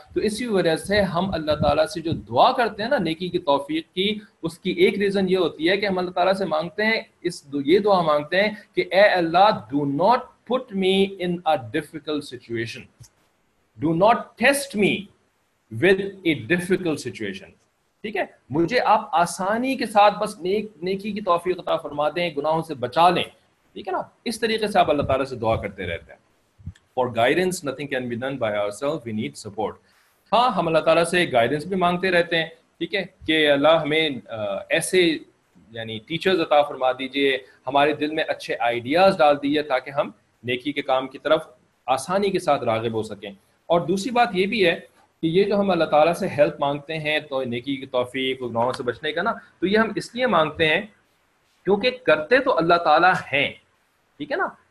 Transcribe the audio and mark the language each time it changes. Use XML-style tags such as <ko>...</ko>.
<ur>تو اسی وجہ سے ہم اللہ تعالیٰ سے جو دعا کرتے ہیں نا نیکی کی توفیق کی, اس کی ایک ریزن یہ ہوتی ہے کہ ہم اللہ تعالیٰ سے مانگتے ہیں یہ دعا مانگتے ہیں کہ اے اللہ,</ur> <en>do not put me in a difficult situation, do not test me with a difficult situation,</en> <ur>ٹھیک ہے, مجھے آپ آسانی کے ساتھ بس نیکی کی توفیق عطا فرما دیں, گناہوں سے بچا لیں, ٹھیک ہے نا. اس طریقے سے آپ اللہ تعالیٰ سے دعا کرتے رہتے ہیں.</ur> <en>For guidance, nothing can be done by ourselves. We need support.</en> <ur>ہاں, ہم اللہ تعالیٰ سے گائیڈنس بھی مانگتے رہتے ہیں, ٹھیک ہے, کہ اللہ ہمیں ایسے یعنی ٹیچرز عطا فرما دیجئے, ہمارے دل میں اچھے آئیڈیاز ڈال دیجئے تاکہ ہم نیکی کے کام کی طرف آسانی کے ساتھ راغب ہو سکیں. اور دوسری بات یہ بھی ہے کہ یہ جو ہم اللہ تعالیٰ سے ہیلپ مانگتے ہیں تو نیکی کی توفیق گناہوں سے بچنے کا نا, تو یہ ہم اس لیے مانگتے ہیں کیونکہ کرتے تو اللہ تعالیٰ ہیں, ٹھیک ہے نا.</ur>